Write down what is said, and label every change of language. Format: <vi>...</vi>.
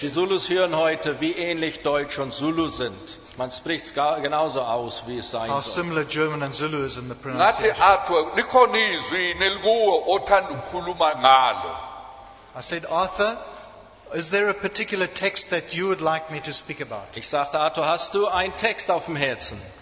<de>Die Zulus hören heute, wie ähnlich Deutsch und Zulu sind. Man spricht es genauso aus, wie es sein soll.</de> <en>How similar German and Zulu is in the pronunciation. I said, Arthur, is there a particular text that you would like me to speak about?</en> <de>Ich sagte, Arthur, hast du einen Text auf dem Herzen?</de>